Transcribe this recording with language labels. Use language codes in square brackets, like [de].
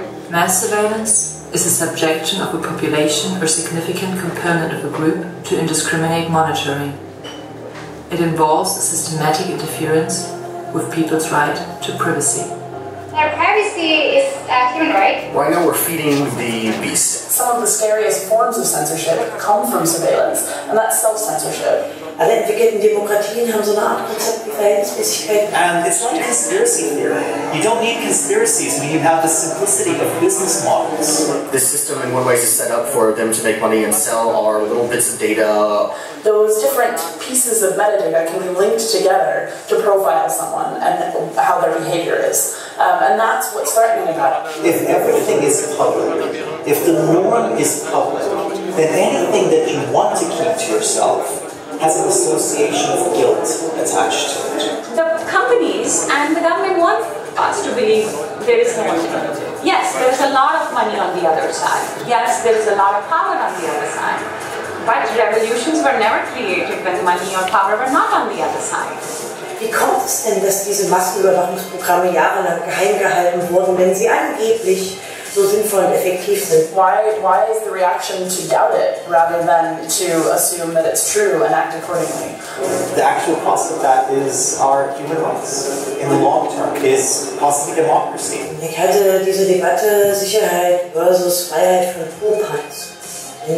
[en] Mass surveillance is the subjection of a population or significant component of a group to indiscriminate monitoring. It involves a systematic interference with people's right to privacy. Our privacy is a human right. Well, I know we're feeding the beast. Some of the scariest forms of censorship come from surveillance, and that's self-censorship. [de] Alle entwickelten Demokratien haben so eine Art Konzept wie Verhältnismäßigkeit. [en] It's not a conspiracy theory. You don't need conspiracies when you have the simplicity of business models. The system in one way is set up for them to make money and sell our little bits of data. Those different pieces of metadata can be linked together to profile someone and how their behavior is. And that's what's threatening about it. If everything is public, if the norm is public, then anything that you want to keep to yourself has an association of guilt attached to it. The companies and the government want us to believe there is no alternative. Yes, there's a lot of money on the other side. Yes, there's a lot of power on the other side. But revolutions were never created when money or power were not on the other side. [de] Wie kommt es denn, dass diese Massenüberwachungsprogramme jahrelang geheim gehalten wurden, wenn sie angeblich so sinnvoll und effektiv sind? [en] Why is the reaction to doubt it rather than to assume that it's true and act accordingly? The actual cost of that is our human rights. In the long term is possibly democracy. [de] Ich hatte diese Debatte Sicherheit versus Freiheit von Popanz.